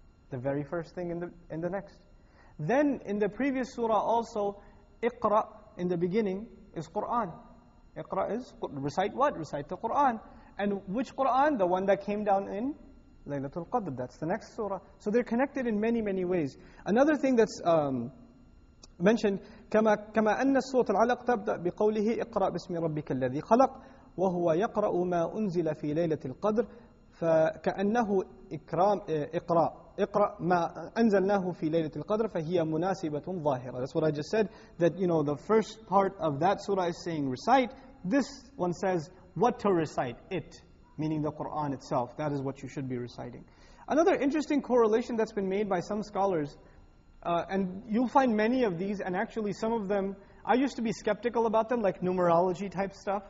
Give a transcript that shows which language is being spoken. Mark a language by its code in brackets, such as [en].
[en] The very first thing in the next. Then in the previous surah also, iqra in the beginning is Qur'an. Iqra is, recite what? Recite the Qur'an. And which Qur'an? The one that came down in Laylatul Qadr. That's the next surah. So they're connected in many, many ways. Another thing that's mentioned, [ar] كما أن سورة العلق تبدأ بقوله اقرأ باسم ربك الذي خلق وهو يقرأ ما أنزل في ليلة القدر فكأنه إكرام اقرأ ما أنزلناه في ليلة القدر فهي مناسبة ظاهرة. [en] That's what I just said, that you know the first part of that surah is saying recite. This one says what to recite, it meaning the Quran itself. That is what you should be reciting. Another interesting correlation that's been made by some scholars, and you'll find many of these, and actually some of them, I used to be skeptical about them, like numerology type stuff.